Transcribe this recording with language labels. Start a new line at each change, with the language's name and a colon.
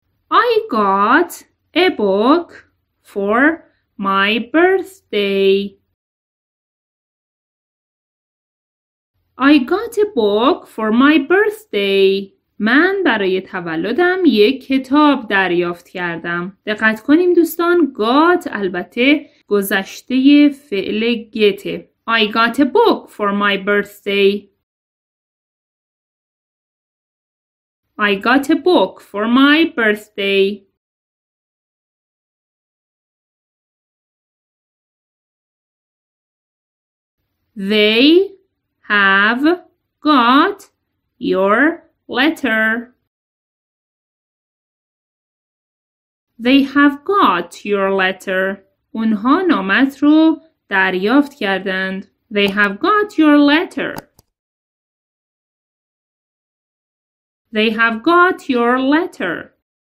English: I got a book for my birthday. I got a book for my birthday.
Persian: من برای تولدم یک کتاب دریافت کردم. دقت کنیم دوستان، got البته گذشته فعل get.
English: I got a book for my birthday. I got a book for my birthday. They have got your letter. They have got your letter.
Persian: اونها نامت رو دریافت کردند.
English: They have got your letter. They have got your letter.